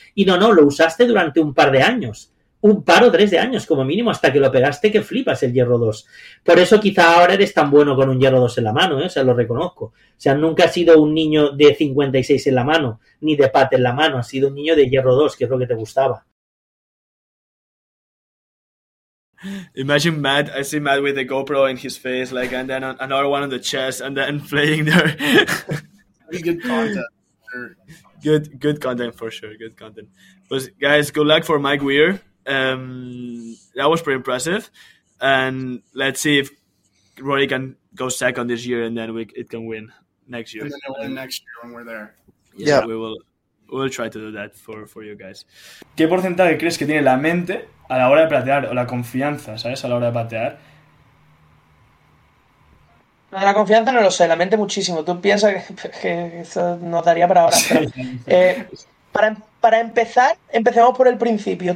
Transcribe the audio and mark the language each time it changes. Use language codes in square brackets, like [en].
[es] Y no, lo usaste durante un par de años. Un par o tres de años, como mínimo, hasta que lo pegaste que flipas el hierro 2. Por eso quizá ahora eres tan bueno con un hierro 2 en la mano, ¿eh? O sea, lo reconozco. O sea, nunca has sido un niño de 56 en la mano, ni de pat en la mano. Has sido un niño de hierro 2, que es lo que te gustaba. [en] Imagine Matt, I see Matt with the GoPro in his face, like, and then another one on the chest, and then playing there. Good content. Good content, for sure, good content. Pues, guys, good luck for Mike Weir. That was pretty impressive, and let's see if Rory can go second this year, and then it can win next year. And then it'll win next year when we're there. Yeah, so we'll try to do that for you guys. [es] ¿Qué porcentaje crees que tiene la mente a la hora de patear o la confianza, sabes, a la hora de patear? No, la confianza no lo sé, la mente muchísimo. Tú piensas que eso nos daría para ahora. Pero, Para empezar, empecemos por el principio.